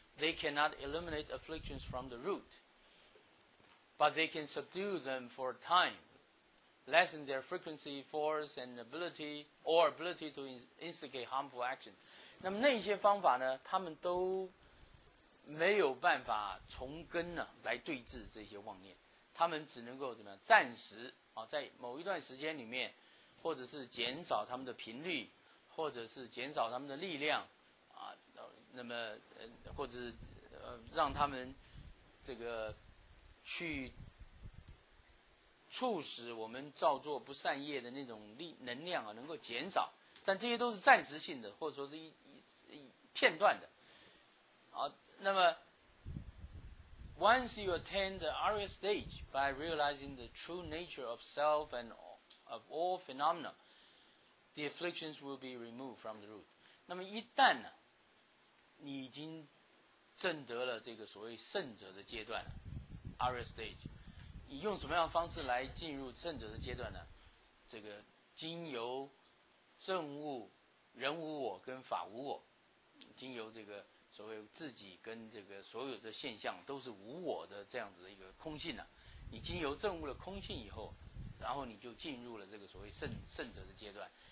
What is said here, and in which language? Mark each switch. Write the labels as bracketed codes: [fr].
[en] They cannot eliminate afflictions from the root but they can subdue them for a time, lessen their frequency, force and ability or ability to instigate harmful action。 [zh] 那么那些方法呢，他们都没有办法从根呢来对治这些妄念，他们只能够怎么样，暂时啊，在某一段时间里面，或者是减少他们的频率，或者是减少他们的力量啊，那么或者是让他们这个去促使我们造作不善业的那种力能量啊能够减少，但这些都是暂时性的，或者说是 一片段的啊。 [en] 那么 once you attain the Arya stage by realizing the true nature of self and of all phenomena, the afflictions will be removed from the root。 [zh] 那么一旦呢，你已经证得了这个所谓圣者的阶段了， Arya stage， 你用什么样的方式来进入圣者的阶段呢？这个经由证悟人无我跟法无我，经由这个所谓自己跟这个所有的现象都是无我的这样子的一个空性呢、啊，你经由证悟了空性以后，然后你就进入了这个所谓圣者的阶段。